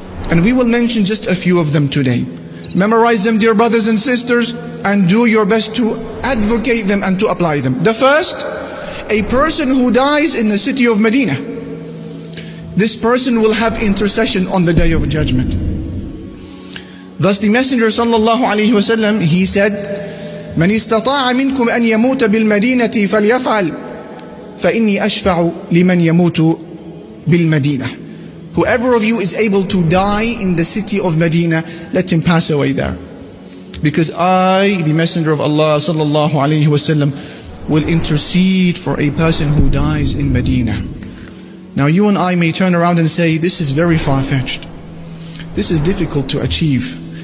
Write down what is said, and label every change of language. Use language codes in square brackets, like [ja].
[en] And we will mention just a few of them today. Memorize them, dear brothers and sisters, and do your best to advocate them and to apply them. The first, a person who dies in the city of Medina, this person will have intercession on the Day of Judgment. Thus the Messenger sallallahu alayhi wasallam, he said, [ar] من استطاع منكم أن يموت بالمدينة فليفعل فإني أشفع لمن يموت بالمدينة. [en] Whoever of you is able to die in the city of Medina, let him pass away there. Because I, the Messenger of Allah sallallahu alayhi wasallam, will intercede for a person who dies in Medina. Now you and I may turn around and say, this is very far-fetched. This is difficult to achieve.